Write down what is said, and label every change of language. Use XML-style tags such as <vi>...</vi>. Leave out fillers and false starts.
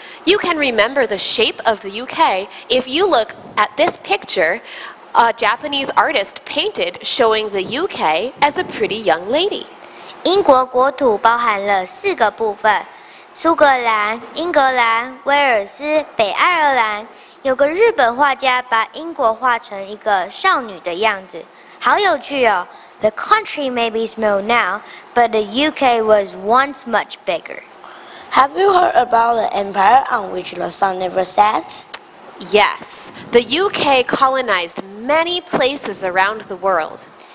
<en>You can remember the shape of the UK if you look at this picture a Japanese artist painted showing the UK as a pretty young lady.</en> <zh>英国国土包含了四个部分，苏格兰、英格兰、威尔斯、北爱尔兰。有个日本画家把英国画成一个少女的样子，好有趣哦。</zh> <en>The country may be small now, but the UK was once much bigger. Have you heard about the empire on which the sun never sets? Yes, the UK colonized many places around the world.</en>